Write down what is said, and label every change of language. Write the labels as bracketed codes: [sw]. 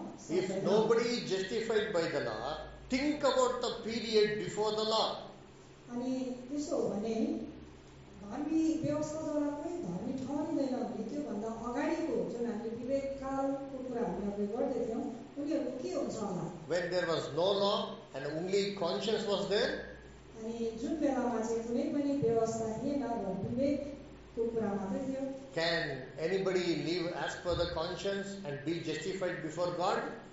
[en] If nobody is justified by the law, think about the period before the law. [ne] अनि त्यसो हो भने धार्मिक व्यवस्थाद्वारा कुनै धर्मी ठहरिँदैन भने त्यो भन्दा अगाडिको जुन हामीले विवेक कालको कुरा हामीले गर्दै थियौँ उनीहरू के हुन्छ होला? [en] When there was no law and only conscience was there, [ne] अनि जुन बेलामा चाहिँ कुनै पनि व्यवस्था थिएन र विवेकको कुरा मात्रै थियो, [en] can anybody live as per the conscience and be justified before God?